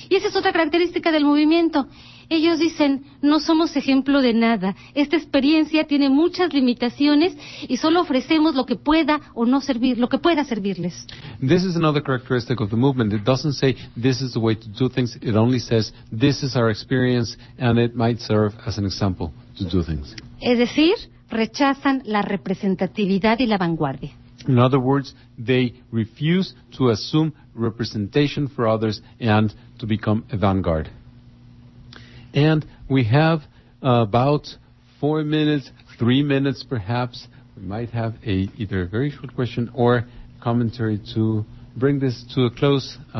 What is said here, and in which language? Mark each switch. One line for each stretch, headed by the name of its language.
Spanish: Y esa es otra característica del movimiento. Ellos dicen, no somos ejemplo de nada. Esta experiencia tiene muchas limitaciones y solo ofrecemos lo que pueda o no servir, lo que pueda servirles.
English: This is another characteristic of the movement. It doesn't say this is the way to do things. It only says this is our experience and it might serve as an example to do things.
Spanish: Es decir, rechazan la representatividad y la vanguardia.
English: In other words, they refuse to assume representation for others and to become a vanguard. And we have about 4 minutes, 3 minutes perhaps. We might have either a very short question or commentary to bring this to a close.